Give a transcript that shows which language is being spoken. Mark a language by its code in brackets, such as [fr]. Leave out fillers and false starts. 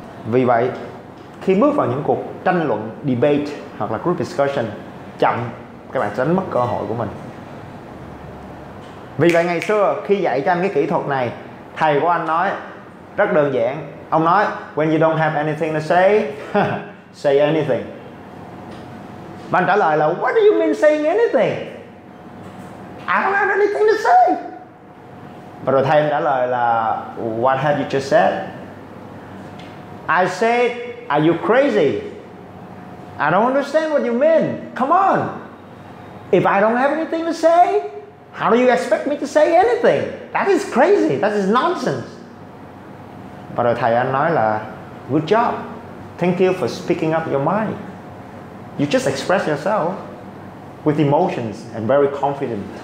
[vi] Vì vậy, khi bước vào những cuộc tranh luận, debate hoặc là group discussion, chậm các bạn sẽ đánh mất cơ hội của mình. Vì vậy ngày xưa khi dạy cho anh cái kỹ thuật này, thầy của anh nói rất đơn giản. Ông nói, [en] when you don't have anything to say, say anything. [vi] Và anh trả lời là, [en] what do you mean saying anything? I don't have anything to say. [vi] Và rồi thầy em trả lời là, [en] what have you just said? I said, are you crazy? I don't understand what you mean. Come on. If I don't have anything to say, how do you expect me to say anything? That is crazy. That is nonsense. [vi] Và rồi thầy anh nói là, [en] good job. Thank you for speaking up your mind. You just express yourself with emotions and very confident.